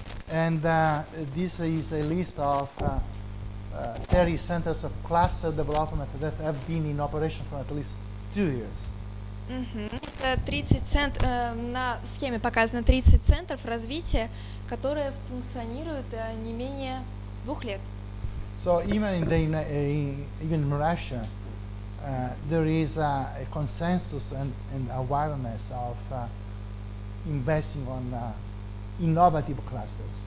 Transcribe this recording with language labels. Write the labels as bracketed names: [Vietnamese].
[English] And this is a list of 30 centers of cluster development that have been in operation for at least 2 years. [Russian] Это 30 центров, на схеме показано 30 центров развития, которые функционируют не менее 2 лет. [English] So even in the even in Russia, there is a consensus and awareness of investing on innovative clusters.